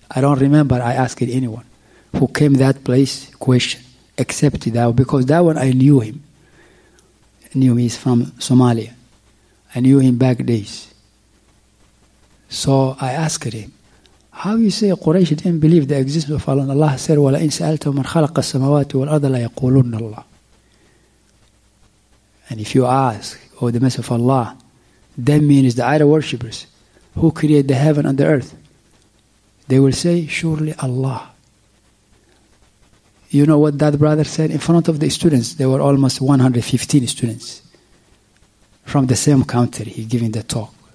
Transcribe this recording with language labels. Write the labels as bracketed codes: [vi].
[en] I don't remember I asked anyone who came that place question. Except that, because that one I knew him. I knew he's from Somalia. I knew him back days. So I asked him, how you say Quraysh didn't believe the existence of Allah? [ar] Allah said, وَلَا إِنْ سَأَلْتَهُ مَنْ خَلَقَ السَّمَوَاتِ وَالْأَرْضَ لَيَقُولُنَّ اللَّهِ. [en] And if you ask, oh, the message of Allah, that means the idol worshippers, who created the heaven and the earth, they will say, surely Allah. You know what that brother said in front of the students? There were almost 115 students from the same country. He giving the talk.